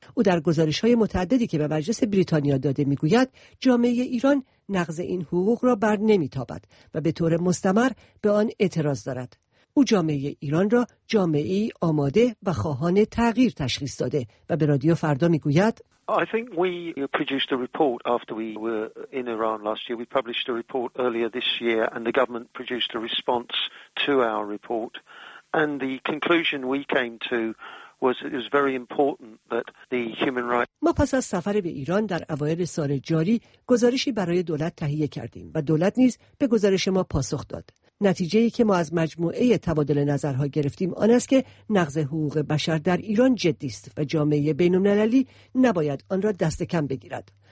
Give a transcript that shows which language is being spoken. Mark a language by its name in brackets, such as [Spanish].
[Persian] او در گزارش‌های متعددی که به مجلس بریتانیا داده می‌گوید جامعه ایران نقض این حقوق را بر نمی‌تابد و به طور مستمر به آن اعتراض دارد. او جامعه ایران را جامعه‌ای آماده و خواهان تغییر تشخیص داده و به رادیو فردا می‌گوید [English] I think we produced a report after we were in Iran last year. We published a report earlier this year and the government produced a response to our report and the conclusion we came to was it was very important that the human rights [Persian] ما پس از سفر به ایران در اوایل سال جاری گزارشی برای دولت تهیه کردیم و دولت نیز به گزارش ما پاسخ داد. نتیجه‌ای که ما از مجموعه تبادل نظرها گرفتیم آن است که نقض حقوق بشر در ایران جدی است و جامعه بین‌المللی نباید آن را دست کم بگیرد.